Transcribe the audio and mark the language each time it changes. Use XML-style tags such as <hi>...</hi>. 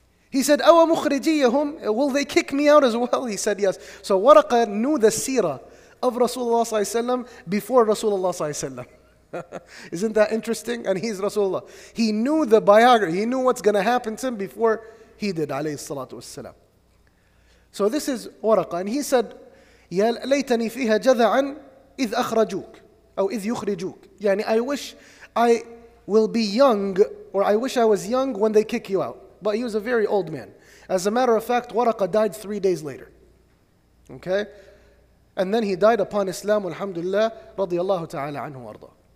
<en>He said,</en> <ar>أَوَ مُخْرِجِيَّهُمْ.</ar> <en>Will they kick me out as well? He said, yes. So Waraqa knew the seerah of Rasulullah ﷺ before Rasulullah ﷺ. Isn't that interesting? And he's Rasulullah. He knew the biography. He knew what's going to happen to him before he did, alayhi salatu wasalam. So this is Waraqa, and he said,</en> <ar>يَا لَيْتَنِي فِيهَا جَذَعًا إِذْ أَخْرَجُوكَ أو إِذْ يُخْرِجُوكَ.</ar> <en>يعني I wish I will be young, or I wish I was young when they kick you out. But he was a very old man. As a matter of fact, Waraqa died 3 days later. Okay? And then he died upon Islam, alhamdulillah,</en> <ar>رضي الله تعالى عنه وارضى.</ar>